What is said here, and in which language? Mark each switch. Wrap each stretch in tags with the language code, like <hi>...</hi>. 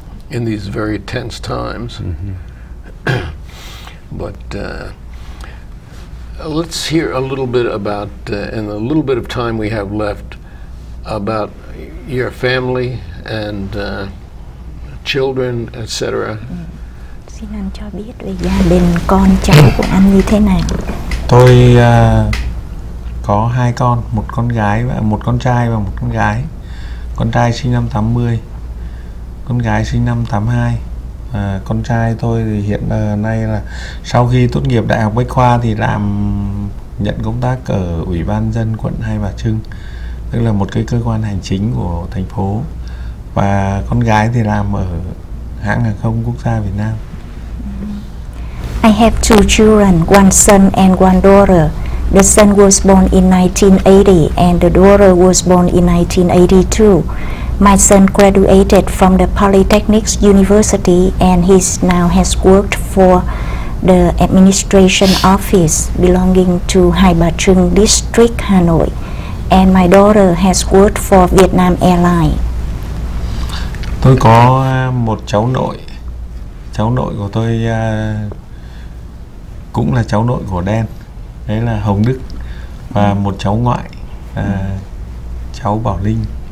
<en>In these very tense times. But let's hear a little bit about, in the little bit of time we have left, about your family and children, etc.</en> <vi>Xin anh cho biết về gia đình con cháu của anh như thế nào? Tôi có hai con, một con gái và một con trai và một con gái. Con trai sinh năm 80, con gái sinh năm 82. À, con trai tôi thì hiện nay là sau khi tốt nghiệp Đại học Bách Khoa thì làm nhận công tác ở Ủy ban dân quận Hai Bà Trưng, tức là một cái cơ quan hành chính của thành phố. Và con gái thì làm ở hãng hàng không quốc gia Việt Nam.</vi> <en>I have two children, one son and one daughter. The son was born in 1980 and the daughter was born in 1982. My son graduated from the Polytechnic University and he now has worked for the administration office belonging to Hai Ba Trưng District, Hanoi. And my daughter has worked for Vietnam Airlines.</en> <vi>Tôi có một cháu nội. Cháu nội của tôi cũng là cháu nội của Đen. Đấy là Hồng Đức. Và một cháu ngoại, cháu Bảo Linh.</vi>